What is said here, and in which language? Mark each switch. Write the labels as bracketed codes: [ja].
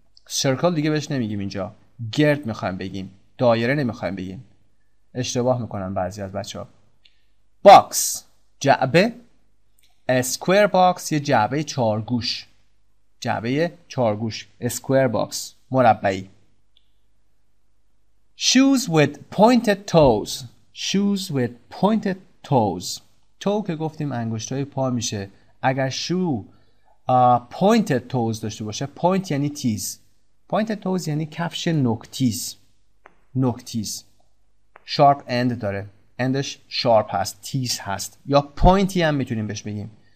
[fa] سرکل دیگه بهش نمیگیم اینجا، گرد میخوایم بگیم، دایره نمیخوایم بگیم، اشتباه میکنن بعضی از بچه ها. باکس، جعبه. [en] A square box، [fa] یه جعبه چارگوش، جعبه چارگوش. [en] A square box، مربعی. shoes with pointed toes، shoes with pointed toes. [fa] toe که گفتیم انگشتای پا میشه. اگر [en] shoe pointed toes [fa] داشته باشه، point یعنی تیز، [en] pointed toes [fa] یعنی کفش نوکتیز. نوکتیز شارپ اند داره، اندش شارپ هست، تیز هست، یا پوینتی هم میتونیم بهش بگیم.